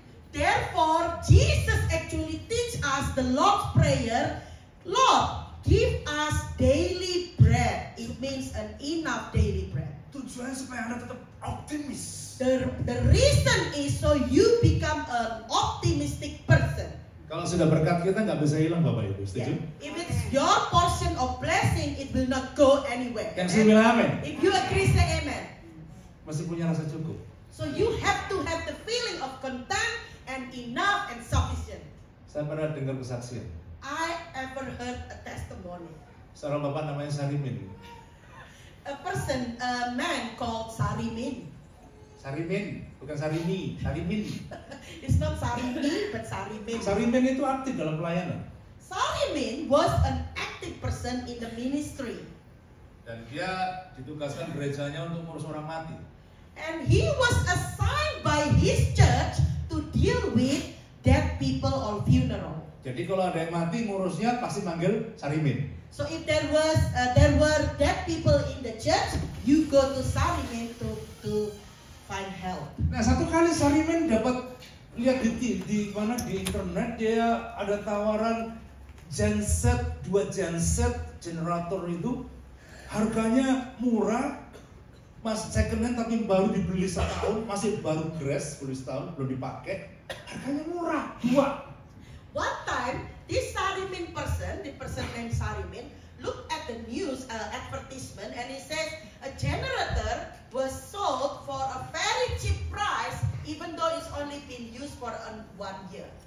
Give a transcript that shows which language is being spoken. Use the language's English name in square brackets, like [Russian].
[English] Therefore, Jesus actually teach us the Lord's Prayer. Lord, give us daily bread. It means an enough daily bread. [Indonesian] Tujuan supaya Anda tetap optimis. [English] The reason is so you become an optimistic person. [Indonesian] Kalau sudah berkat kita nggak bisa hilang, Bapak Ibu, setuju? [English] Yeah. If it's your portion of blessing, it will not go anywhere. [Indonesian] Yang saya bilang amin. [English] If you agree, say amen. [Indonesian] Masih punya rasa cukup. [English] So you have to have the feeling of content and enough and sufficient. [Indonesian] Saya pernah dengar kesaksian. [English] I ever heard a testimony. [Indonesian] Seorang bapak namanya Sarimin. [English] A man called Sarimin. [Indonesian] Sarimin, bukan Sarimi, Sarimin. [English] It's not Sarimi, but Sarimin. [Indonesian] Sarimin itu aktif dalam pelayanan. [English] Sarimin was an active person in the ministry. [Indonesian] Dan dia ditugaskan gerejanya untuk mengurus orang mati. [English] And he was assigned by his church to deal with dead people or funeral. [Indonesian] Jadi kalau ada yang mati ngurusnya pasti manggil Sarimin. [English] So if there were dead people in the church, you go to Sarimin to find help. [Indonesian] Nah, satu kali Sarimin dapat lihat di mana di internet dia ada tawaran genset, 2 genset generator itu harganya murah. Mas [English] second hand [Indonesian] tapi baru dibeli setahun, masih baru grass, baru setahun, belum dipakai. Harganya murah, 2. [English] One time, this Sarimin person, the person named Sarimin, look at the news advertisement and he says a generator was sold for a very cheap price even though it's only been used for 1 year.